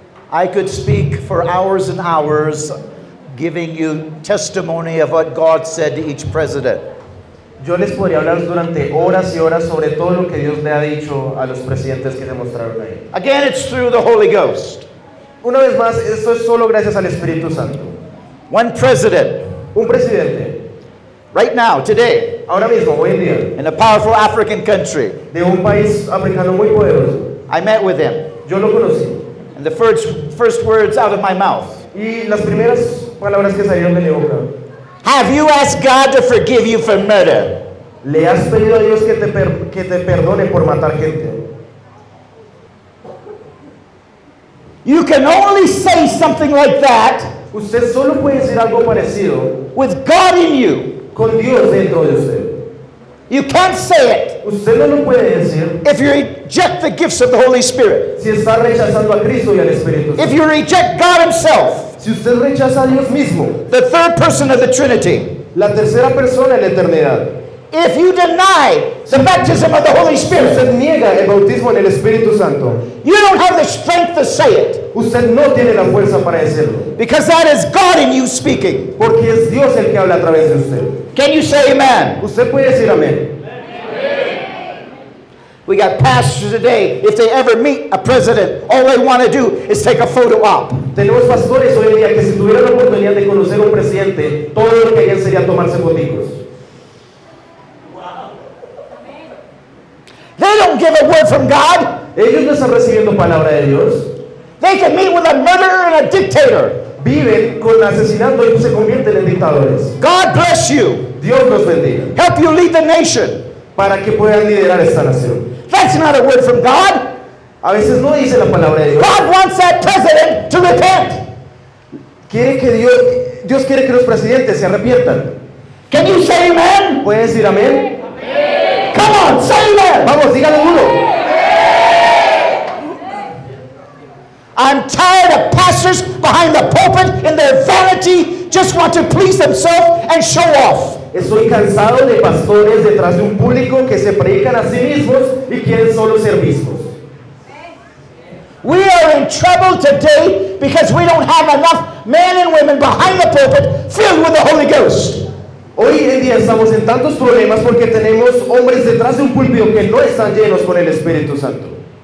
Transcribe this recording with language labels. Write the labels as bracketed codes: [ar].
[en] I could speak for hours and hours giving you testimony of what God said to each president. [es] Yo les podría hablar durante horas y horas sobre todo lo que Dios le ha dicho a los presidentes que se mostraron ahí. [en] Again, it's through the Holy Ghost. [es] Una vez más, esto es solo gracias al Espíritu Santo. [en] One president. [es] Un presidente. [en] Right now, today. [es] Ahora mismo, hoy en día. [en] In a powerful African country. [es] De un país africano muy poderoso. [en] I met with him. [es] Yo lo conocí. [en] And the first words out of my mouth. [es] Y las primeras palabras que salieron de mi boca. [en] Have you asked God to forgive you for murder? [es] ¿Le has pedido a Dios que te perdone por matar gente? [en] You can only say something like that. [es] Usted solo puede decir algo parecido. [en] With God in you. [es] Con Dios dentro de usted. [en] You can't say it. [es] Usted no lo puede decir. [en] If you reject the gifts of the Holy Spirit. [es] Si está rechazando a Cristo y al Espíritu Santo. [en] If you reject God Himself. [es] Si usted rechaza a Dios mismo. [en] The third person of the Trinity. [es] La tercera persona en la eternidad. [en] If you deny the baptism of the Holy Spirit. [es] Usted niega el bautismo en el Espíritu Santo. [en] You don't have the strength to say it. [es] Usted no tiene la fuerza para decirlo. [en] Because that is God in you speaking. [es] Porque es Dios el que habla a través de usted. [en] Can you say amen? [es] Usted puede decir amén. [en] We got pastors today. If they ever meet a president, all they want to do is take a photo op. [es] Tenemos pastores hoy en día que si tuvieran la oportunidad de conocer a un presidente, todo lo que harían sería tomarse fotos. [en] They don't give a word from God. [es] Ellos no están recibiendo palabra de Dios. [en] They can meet with a murderer and a dictator. [es] Viven con asesinato y se convierten en dictadores. [en] God bless you. [es] Dios los bendiga. [en] Help you lead the nation. [es] Para que puedan liderar esta nación. [en] That's not a word from God. [es] A veces no dice la palabra de Dios. [en] God wants that president to repent. [es] Quiere que Dios quiere que los presidentes se arrepientan. [en] Can you say amen? [es] ¿Puedes decir amén? [en] Come on, say amen. [es] Vamos, dígale uno. [en] I'm tired of pastors behind the pulpit in their vanity just want to please themselves and show off. [es] Estoy cansado de pastores detrás de un público que se predican a sí mismos y quieren solo ser vistos. [en] We are in trouble today because we don't have enough men and women behind the pulpit filled with the Holy Ghost. [es] Hoy en día estamos en tantos problemas porque tenemos hombres detrás de un púlpito que no están llenos con el Espíritu Santo.